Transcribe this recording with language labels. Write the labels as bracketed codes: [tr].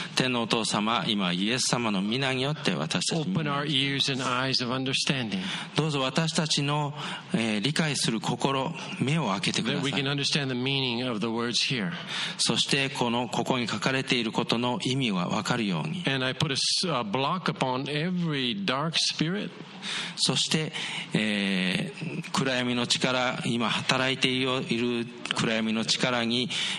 [ja] 天のお父様、今イエス様の御名によって私たち。 [en] Open our ears and eyes of understanding. [ja] どうぞ私たちの、理解する心、目を開けてください。 [en] That we can understand the meaning of the words here. [ja] そしてここに書かれていることの意味は分かるように。 [en] And I put a block upon every dark spirit. [ja] そして、暗闇の力、今働いている暗闇の力に、